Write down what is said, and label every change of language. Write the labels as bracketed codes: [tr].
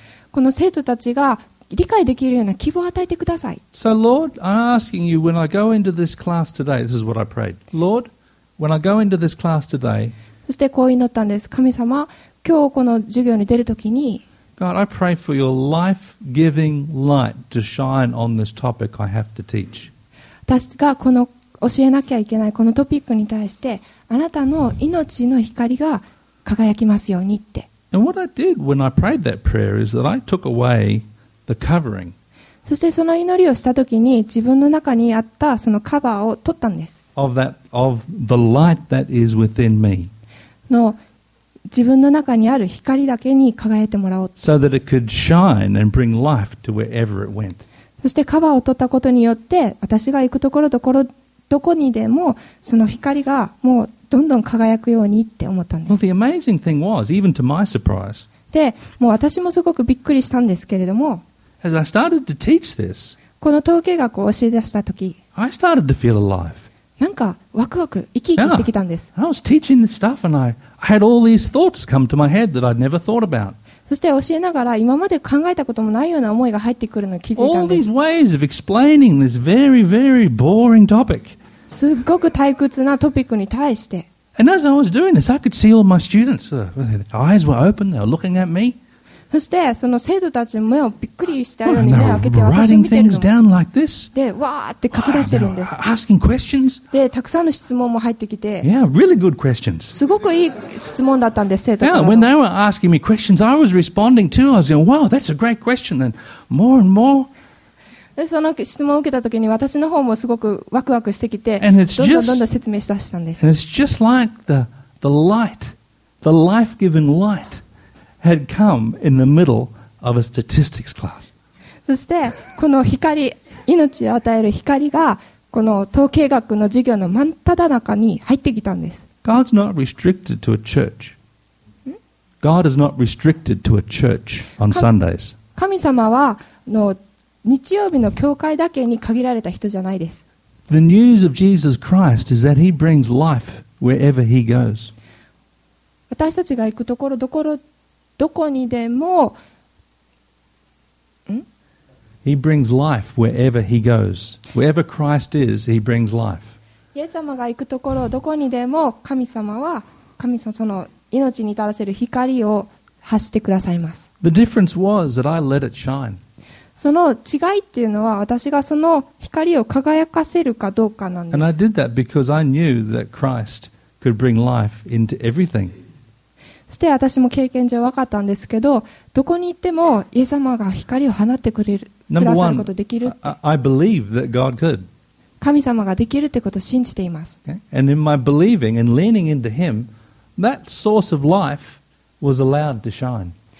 [ja] この生徒たちが理解できるような希望を与えてください。 [en] So Lord, I'm asking you when I go into this class today, this is what I prayed. Lord, when I go into this class today, [ja] そしてこう祈ったんです。神様、今日この授業に出るときに、 [en] God, I pray for your life-giving light to shine on this topic I have to teach. [ja] 私がこの教えなきゃいけないこのトピックに対してあなたの命の光が輝きますようにって。 [en] And what I did when I prayed that prayer is that I took away the covering. [ja] そしてその祈りをした時に自分の中にあったそのカバーを取ったんです。 [en] Of the light that is within me. [ja] の自分の中にある光だけに輝いてもらおう。 [en] So that it could shine and bring life to wherever it went. [ja] そしてカバーを取ったことによって私が行くところどころどこにでもその光がもうどんどん輝くようにって思ったんです。 [en] Well, the amazing thing was, even to my surprise, [ja] で、もう私もすごくびっくりしたんですけれども、 [en] as I started to teach this, [ja] この統計学を教え出したとき、 [en] I started to feel alive. [ja] なんかワクワク、生き生きしてきたんです。 [en] Yeah, I was teaching this stuff and I had all these thoughts come to my head that I'd never thought about. [ja] そして教えながら今まで考えたこともないような思いが入ってくるのを気づいたんです。 [en] All these ways of explaining this very, very boring topic. [ja] すっごく退屈なトピックに対して。 [en] And as I was doing this, I could see all my students. Their eyes were open, they were looking at me. [ja] そしてその生徒たちの目をびっくりしたように目を開けて私を見てるの。で、わーって書き出してるんです。 [en] Asking questions. [ja] で、たくさんの質問も入ってきて。 [en] Yeah, really good questions. [ja] すごくいい質問だったんです、生徒からの。 [en] Yeah, when they were asking me questions, I was responding too. I was going, wow, that's a great question. And more and more. [ja] で、その質問を受けた時に私の方もすごくワクワクしてきて、どんどん説明し出したんです。 [en] And it's just like the light, the life-giving light. Had come in the middle of a statistics class. [ja] そしてこの光、命を与える光がこの統計学の授業の真っ只中に入ってきたんです。 [en] God's not restricted to a church. God is not restricted to a church on Sundays. [ja] 神様は日曜日の教会だけに限られた人じゃないです。 [en] The news of Jesus Christ is that He brings life wherever He goes. [ja] 私たちが行くところどころどこにでも、ん? [en] He brings life wherever he goes. Wherever Christ is, he brings life. [ja] イエス様が行くところどこにでも神様は神様その命に至らせる光を発してくださいます。 [en] The difference was that I let it shine. [ja] その違いっていうのは私がその光を輝かせるかどうかなんです。 [en] And I did that because I knew that Christ could bring life into everything. [ja] そして私も経験上分かったんですけど、どこに行ってもイエス様が光を放ってくれる、くださることができるって。 [en] Number one, I believe that God could. [ja] 神様ができるってことを信じています。 [en] Okay? And in my believing and leaning into Him, that source of life was allowed to shine.